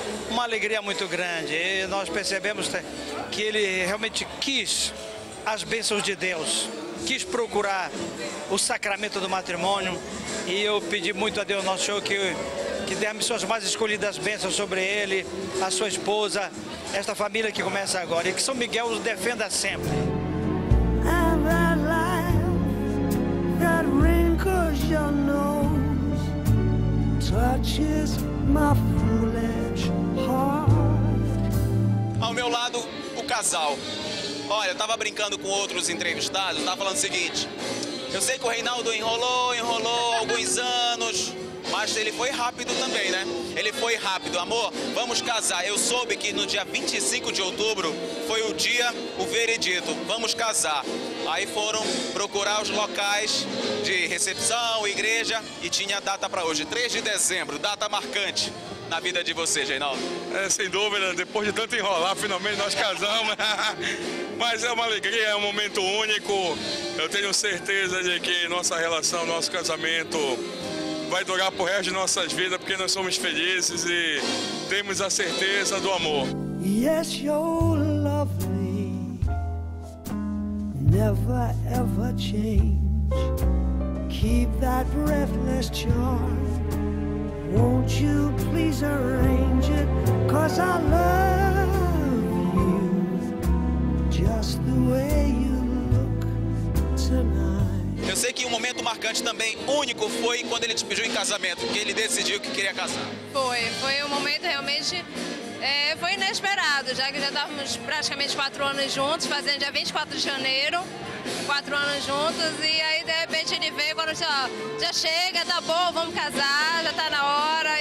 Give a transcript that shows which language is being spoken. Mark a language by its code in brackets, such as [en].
[pt] Uma alegria muito grande. E nós percebemos que ele realmente quis as bênçãos de Deus, quis procurar o sacramento do matrimônio. E eu pedi muito a Deus Nosso Senhor que dê as suas mais escolhidas bênçãos sobre ele, a sua esposa, esta família que começa agora. E que São Miguel os defenda sempre. [en] And that life that wrinkles your nose touches my foolish heart. [pt] Ao meu lado, casal. Olha, eu tava brincando com outros entrevistados, tava falando o seguinte: eu sei que o Reinaldo enrolou alguns anos, mas ele foi rápido também, né? Ele foi rápido. Amor, vamos casar. Eu soube que no dia 25 de outubro foi o dia, o veredito. Vamos casar. Aí foram procurar os locais de recepção, igreja, e tinha data para hoje, 3 de dezembro, data marcante na vida de você, Reinaldo. É, sem dúvida, depois de tanto enrolar, finalmente nós casamos. Mas é uma alegria, é um momento único. Eu tenho certeza de que nossa relação, nosso casamento vai durar pro resto de nossas vidas, porque nós somos felizes e temos a certeza do amor. [en] Yes, you're lovely, never ever change. Keep that breathless charm. Won't you please arrange it? 'Cause I love you just the way you look tonight. [pt] Eu sei que um momento marcante também, único, foi quando ele te pediu em casamento, que ele decidiu que queria casar. Foi um momento realmente foi inesperado, já que já estávamos praticamente 4 anos juntos, fazendo dia 24 de janeiro. 4 anos juntos, e aí de repente ele veio e falou assim: ó, já chega, tá bom, vamos casar, já tá na hora.